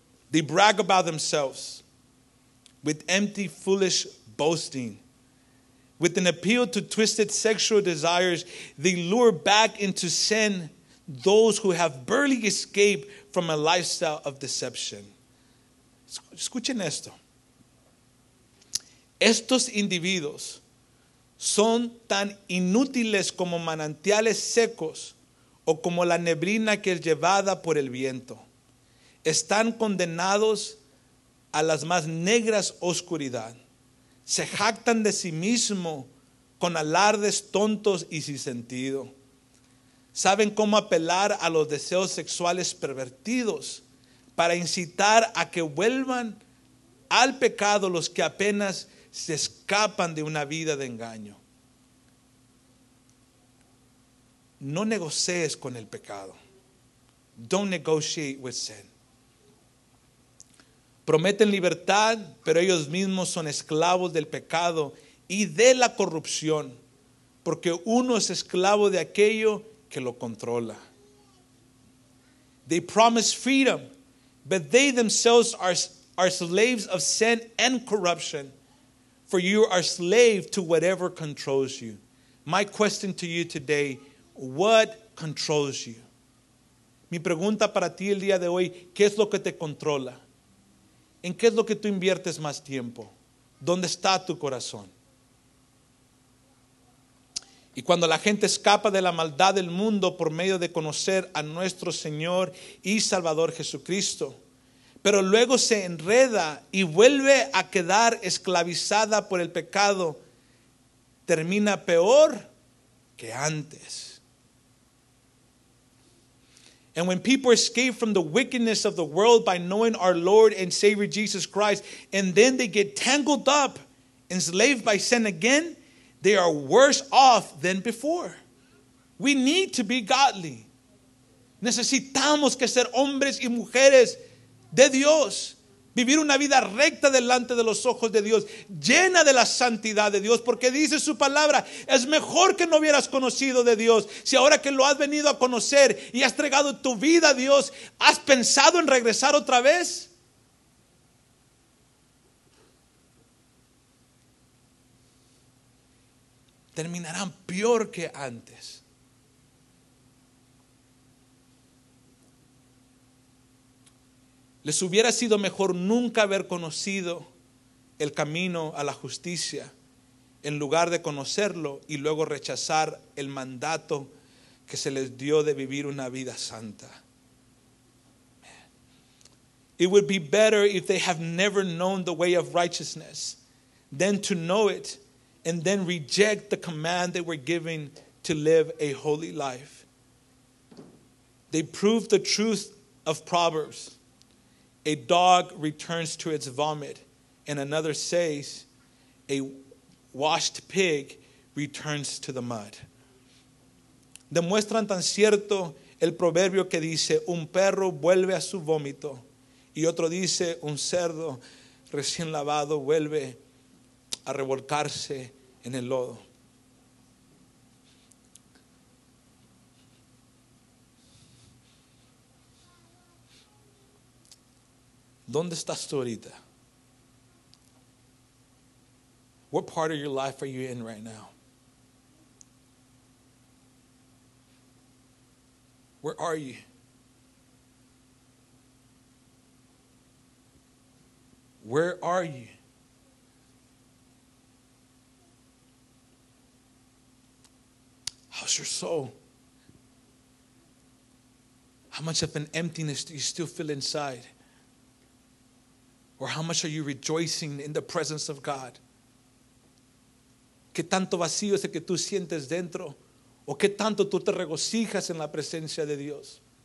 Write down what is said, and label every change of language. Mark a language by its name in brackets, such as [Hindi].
[English] They brag about themselves with empty, foolish boasting. With an appeal to twisted sexual desires, they lure back into sin those who have barely escaped from a lifestyle of deception. [Spanish] Escuchen esto. Estos individuos son tan inútiles como manantiales secos o como la neblina que es llevada por el viento. Están condenados a las más negras oscuridad. Se jactan de sí mismo con alardes tontos y sin sentido. Saben cómo apelar a los deseos sexuales pervertidos para incitar a que vuelvan al pecado los que apenas se escapan de una vida de engaño. No negocies con el pecado. [English] Don't negotiate with sin. [Spanish] Prometen libertad, pero ellos mismos son esclavos del pecado y de la corrupción, porque uno es esclavo de aquello que lo controla. [English] They promise freedom, but they themselves are slaves of sin and corruption, for you are slave to whatever controls you. My question to you today, what controls you? [Spanish] Mi pregunta para ti el día de hoy, ¿qué es lo que te controla? ¿En qué es lo que tú inviertes más tiempo? ¿Dónde está tu corazón? Y cuando la gente escapa de la maldad del mundo por medio de conocer a nuestro Señor y Salvador Jesucristo, pero luego se enreda y vuelve a quedar esclavizada por el pecado, termina peor que antes. [English] And when people escape from the wickedness of the world by knowing our Lord and Savior Jesus Christ, and then they get tangled up, enslaved by sin again, they are worse off than before. We need to be godly. [Spanish] Necesitamos que ser hombres y mujeres de Dios. Vivir una vida recta delante de los ojos de Dios, llena de la santidad de Dios, porque dice su palabra, es mejor que no hubieras conocido de Dios. Si ahora que lo has venido a conocer y has entregado tu vida a Dios, ¿has pensado en regresar otra vez? Terminarán peor que antes. Les hubiera sido mejor nunca haber conocido el camino a la justicia en lugar de conocerlo y luego rechazar el mandato que se les dio de vivir una vida santa. [English] It would be better if they have never known the way of righteousness than to know it and then reject the command they were given to live a holy life. They proved the truth of Proverbs. A dog returns to its vomit, and another says, a washed pig returns to the mud. [Spanish] Demuestran tan cierto el proverbio que dice, un perro vuelve a su vómito, y otro dice, un cerdo recién lavado vuelve a revolcarse en el lodo. ¿Dónde estás tú ahorita? [English] What part of your life are you in right now? Where are you? Where are you? How's your soul? How much of an emptiness do you still feel inside? Or how much are you rejoicing in the presence of God? [Spanish] ¿Qué tanto vacío es el que tú sientes dentro? ¿O qué tanto tú te regocijas en la presencia de Dios?